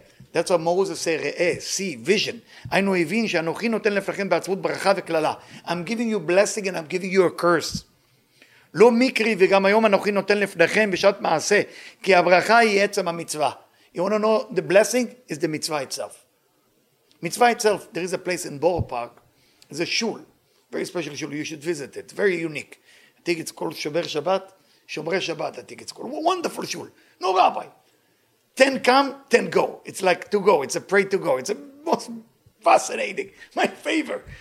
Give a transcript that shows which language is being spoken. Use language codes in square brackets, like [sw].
[en] That's what Moses said, Re'eh, see, vision. I'm giving you blessing and I'm giving you a curse. [he] לא מיקרי, וגם היום אנוכי נותן לפניכם בשעת מעשה, כי הברכה היא עצם המצווה. [en] You want to know, the blessing is the mitzvah itself. Mitzvah itself, there is a place in Borough Park, it's a shul, very special shul, you should visit it, very unique. I think it's called Shomer Shabbat, I think it's called. Wonderful shul, no rabbi. 10 come, 10 go. It's like to go, it's a pray to go. It's the most fascinating, my favorite.